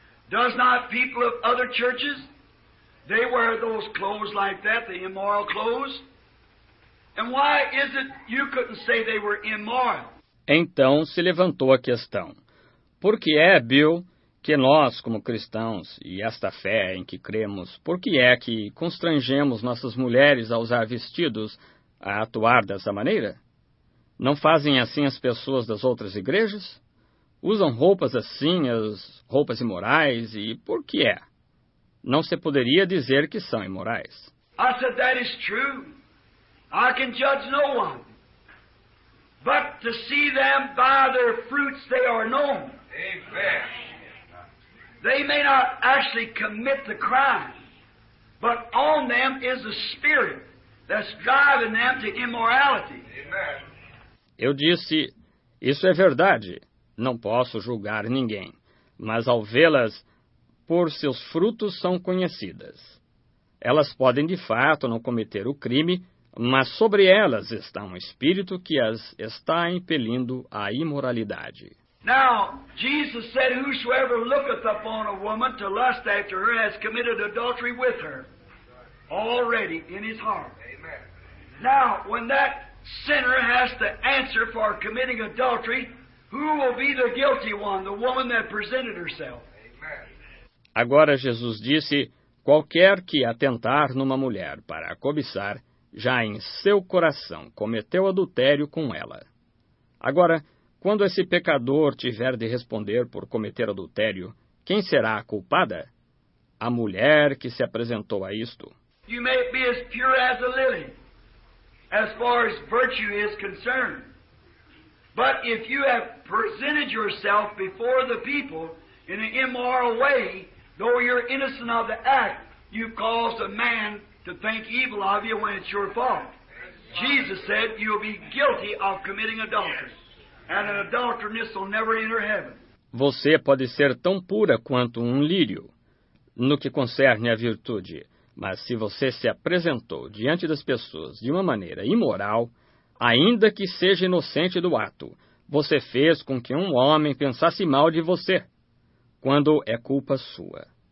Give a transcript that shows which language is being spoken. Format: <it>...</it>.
<en>Does not people of other churches, they wear those clothes like that, the immoral clothes? And why is it you couldn't say they were immoral?</en> <pt>Então se levantou a questão. Por que é, Bill, que nós, como cristãos, e esta fé em que cremos, por que é que constrangemos nossas mulheres a usar vestidos, a atuar dessa maneira? Não fazem assim as pessoas das outras igrejas? Usam roupas assim, as roupas imorais, e por que é? Não se poderia dizer que são imorais.</pt> <en>I said, that is true. I can judge no one. But to see them by their fruits, they are known. Amen. They may not actually commit the crime, but on them is a spirit that's driving them to immorality.</en> <pt>Eu disse, isso é verdade. Não posso julgar ninguém, mas ao vê-las, por seus frutos são conhecidas. Elas podem de fato não cometer o crime, mas sobre elas está um espírito que as está impelindo à imoralidade.</pt> <en>Now, Jesus said, whosoever looketh upon a woman to lust after her has committed adultery with her already in his heart. Amen. Now, when that sinner has to answer for committing adultery, who will be the guilty one, the woman that presented herself? Amen.</en> <pt>Agora Jesus disse, qualquer que atentar numa mulher para a cobiçar, já em seu coração cometeu adultério com ela. Agora, quando esse pecador tiver de responder por cometer adultério, quem será a culpada? A mulher que se apresentou a isto.</pt> <en>You may be as pure as a lily, as far as virtue is concerned. But if you have presented yourself before the people in an immoral way, though you're innocent of the act, you've caused a man to think evil of you when it's your fault. Jesus said you'll be guilty of committing adultery. Yes. And an adulteress will never enter heaven.</en> <pt>Você pode ser tão pura quanto um lírio no que concerne à virtude, mas se você se apresentou diante das pessoas de uma maneira imoral, ainda que seja inocente do ato, você fez com que um homem pensasse mal de você, quando é culpa sua.</pt>